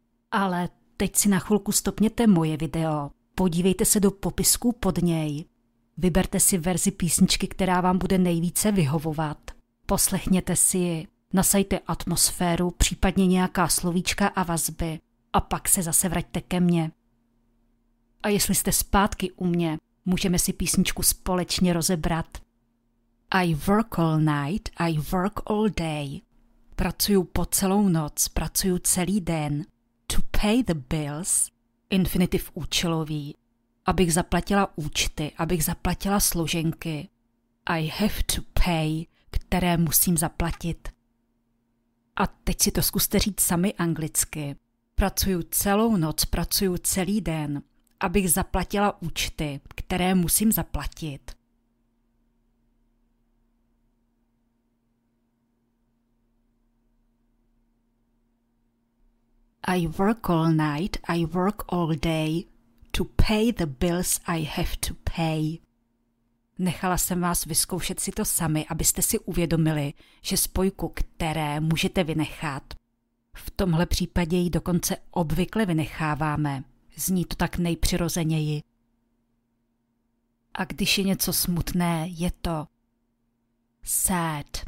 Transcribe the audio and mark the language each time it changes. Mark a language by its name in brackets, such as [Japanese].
[Czech] Ale teď si na chvilku stopněte moje video, podívejte se do popisku pod něj, vyberte si verzi písničky, která vám bude nejvíce vyhovovat, poslechněte si ji, nasaďte atmosféru, případně nějaká slovíčka a vazby a pak se zase vraťte ke mně. A jestli jste zpátky u mě, můžeme si písničku společně rozebrat. [English] I work all night, I work all day. [Czech] Pracuju po celou noc, pracuju celý den. [English] To pay the bills, [Czech] infinitiv účelový, abych zaplatila účty, abych zaplatila složenky. [English] I have to pay, [Czech] které musím zaplatit. A teď si to zkuste říct sami anglicky. Pracuju celou noc, pracuju celý den, abych zaplatila účty, které musím zaplatit. [English] I work all night, I work all day, to pay the bills I have to pay. [Czech] Nechala jsem vás vyzkoušet si to sami, abyste si uvědomili, že spojku které můžete vynechat. V tomhle případě ji dokonce obvykle vynecháváme. Zní to tak nejpřirozeněji. A když je něco smutné, je to sad.